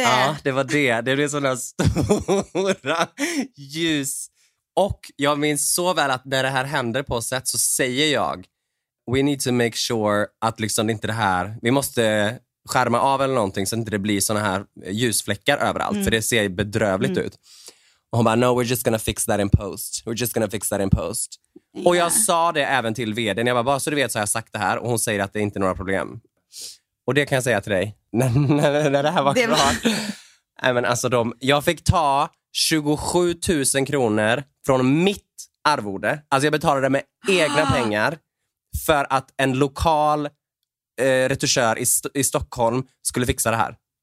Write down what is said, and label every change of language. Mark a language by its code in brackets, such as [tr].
[sv] Ja, det var det. Det blev sådana stora ljus. Och jag minns så väl att när det här händer på sätt så säger jag, [en] we need to make sure [sv] att liksom inte det här, vi måste skärma av eller någonting så att inte det blir såna här ljusfläckar överallt. Mm. För det ser bedrövligt ut. Och hon bara, [en] no, we're just gonna fix that in post. We're just gonna fix that in post. Yeah. [sv] Och jag sa det även till vdn. Jag bara, så du vet, så har jag sagt det här. Och hon säger att det inte är några problem. Och det kan jag säga till dig. När det här var klart. Även alltså de, jag fick ta 27 000 kronor från mitt arvode. Alltså jag betalade med egna pengar. För att en lokal retuschör i Stockholm skulle fixa det här.